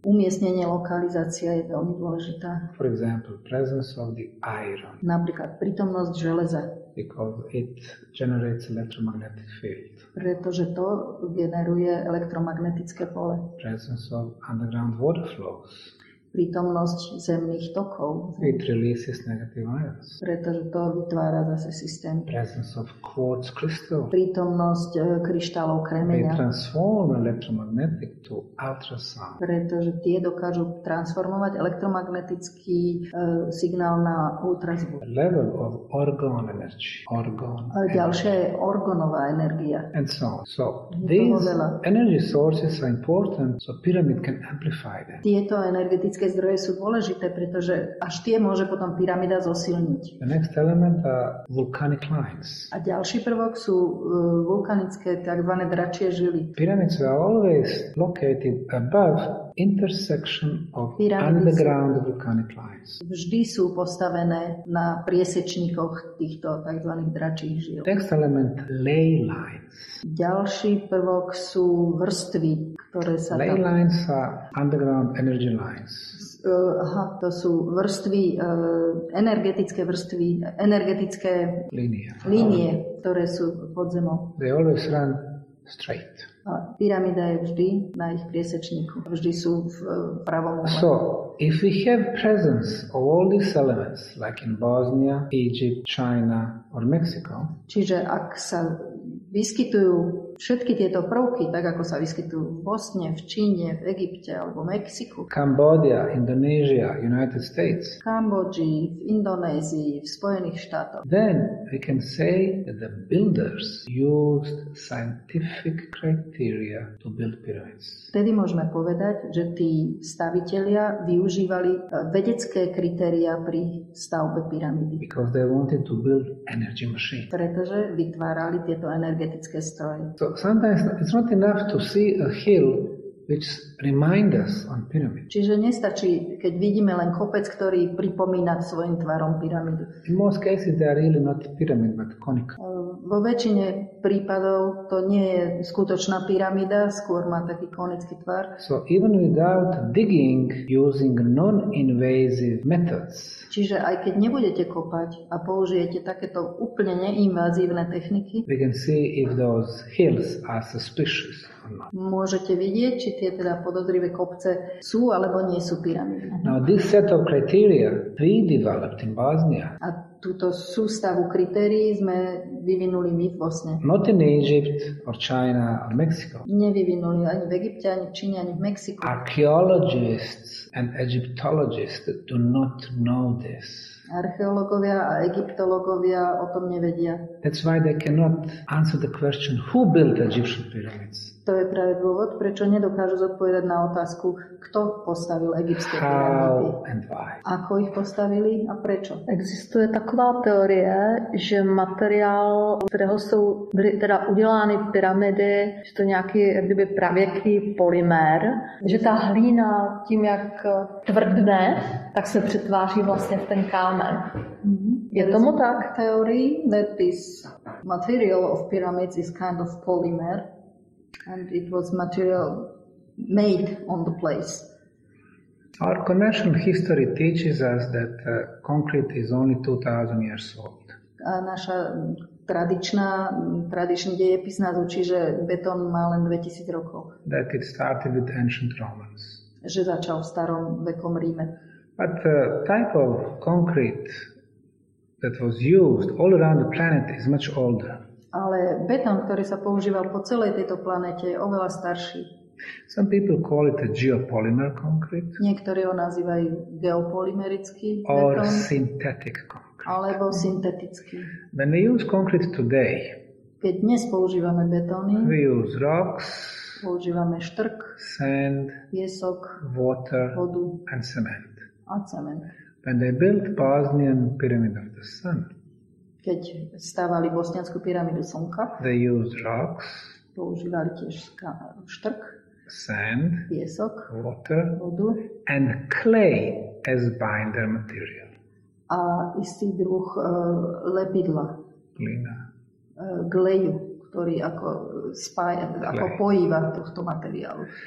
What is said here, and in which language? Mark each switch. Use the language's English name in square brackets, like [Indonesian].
[Slovak] Umiestnenie, lokalizácia je veľmi dôležitá. [English] For example, presence of the iron. [Slovak] Napríklad prítomnosť železa. [English] Because it generates electromagnetic field. [Slovak] Pretože to generuje elektromagnetické pole. [English] Presence of underground water flows. [Slovak] Prítomnosť zemných tokov. [English] It releases negative ions. [Slovak] Pretože to vytvára zase systém. [English] Presence of quartz crystal. [Slovak] Prítomnosť kryštálov kremenia. [English] They transform electromagnetic to ultrasound. [Slovak] Pretože tie dokážu transformovať elektromagnetický signál na ultrazvuk. [English] Level of orgon energy. Orgon. [Slovak] A ďalšia je orgonová energia. [English] And so on. So these energy sources are important so pyramid can amplify them. [Slovak] Tieto energetické zdroje sú dôležité, pretože až tie môže potom pyramída zosilniť. [English] The next element are volcanic lines. [Slovak] A ďalší prvok sú vulkanické, takzvané dračie žily. [English] Pyramids are always located above intersection of underground volcanic lines. [Slovak] Vždy sú postavené na priesečníkoch týchto takzvaných dračích žil. [English] Next element, ley lines. [Slovak] Ďalší prvok sú vrstvy, ktoré sa [English] ley [Slovak] tam... [English] Ley lines are underground energy lines. [Slovak] To sú vrstvy, energetické vrstvy, energetické línie, ktoré sú pod zemou. [English] They always run straight. [Slovak] A pyramída je vždy na ich priesečníku. Vždy sú v pravom úhle. [English] So, if we have presence of all these elements, like in Bosnia, Egypt, China or Mexico, [Slovak] čiže ak sa vyskytujú všetky tieto prvky, tak ako sa vyskytujú v Bosne, v Číne, v Egypte alebo Mexiku. Kambodža, Indonézia, United States. V Kambodži, v Indonézii, v Spojených štátoch. [English] Then we can say that the builders used scientific criteria to build pyramids. [Slovak] Vtedy môžeme povedať, že tí stavitelia využívali vedecké kritériá pri stavbe pyramidy. [English] Because they wanted to build energy machine. [Slovak] Pretože vytvárali tieto energetické stroje. [English] So sometimes it's not enough to see a hill which remind us on pyramid. [Slovak] Čiže nestačí, keď vidíme len kopec, ktorý pripomína svojim tvarom pyramidu. [English] In most cases they are really not pyramid, but conical. [Slovak] Vo väčšine prípadov to nie je skutočná pyramída, skôr má taký konický tvar. [English] So even without digging, using non-invasive methods. [Slovak] Čiže aj keď nebudete kopať a použijete takéto úplne neinvazívne techniky, [English] we can see if those hills are suspicious. [Slovak] Môžete vidieť, či tie teda podozrivé kopce sú alebo nie sú pyramídy. [English] Now this set of criteria we developed in Bosnia. [Slovak] A túto sústavu kritérií sme vyvinuli my v Bosne. [English] Not in Egypt or China or Mexico. [Slovak] Nevyvinuli ani v Egypte, ani v Číne, ani v Mexiku. [English] Archaeologists and Egyptologists do not know this. [Slovak] Archeológovia a egyptológovia o tom nevedia. [English] That's why they cannot answer the question who built Egyptian pyramids. [Slovak] To je práve dôvod, prečo nedokážu zodpovedať na otázku, kto postavil egyptské pyramidy. Ako ich postavili a prečo? [Czech] Existuje taková teorie, že materiál, [Slovak] z ktorého sú teda [Czech] udelány pyramidy, že to nejaký kdyby pravěký polymér, že tá hlína tím, jak tvrdne, tak se přetváří vlastně v ten kámen. Je tomu tak? [English] Theory that this material of pyramids is kind of polymer. And it was material made on the place. Our conventional history teaches us that concrete is only 2000 years old. [Slovak] A naša tradičný dejepis nás učí, že betón má len 2000 rokov. [English] That it started with ancient Romans. [Slovak] Že začal v starom vekom Ríme. [English] But the type of concrete that was used all around the planet is much older. [Slovak] Ale betón, ktorý sa používal po celej tejto planete, je oveľa starší. [English] Some people call it a geopolymer concrete. [Slovak] Niektorí ho nazývajú geopolymerický [English] or [Slovak] betón. [English] Or synthetic concrete. [Slovak] Alebo syntetický. [English] When we use concrete today, [Slovak] keď dnes používame betóny, [English] we use rocks, [Slovak] používame štrk, [English] sand, [Slovak] piesok, [English] water, [Slovak] vodu [English] and cement. [Slovak] A cement. [English] When they built Bosnian Pyramid of the Sun, [Slovak] keď stávali bosňanskú pyramídu slnka, [English] they used rocks, [Slovak] používali tiež štrk, [English] sand, [Slovak] piesok, [English] water, [Slovak] vodu [English] and clay as binder material. [Slovak] A istý druh lepidla, [Bosnian] glina, [Slovak] gleju, ktorý ako spája, ako pojíva tohto materiálu.